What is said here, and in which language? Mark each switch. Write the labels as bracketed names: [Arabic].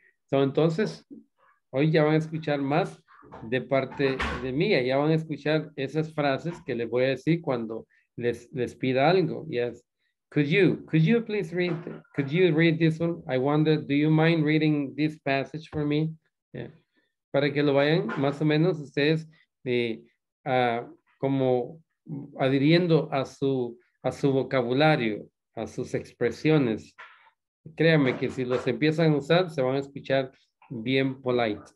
[Spanish] So, entonces, hoy ya van a escuchar más de parte de mí. Ya van a escuchar esas frases que les voy a decir cuando les pida algo. [English] Yes. Could you please read? Could you read this one? I wonder, do you mind reading this passage for me? Yeah. [Spanish] Para que lo vayan más o menos ustedes como adhiriendo a su vocabulario, a sus expresiones. Créanme que si los empiezan a usar, se van a escuchar bien polite.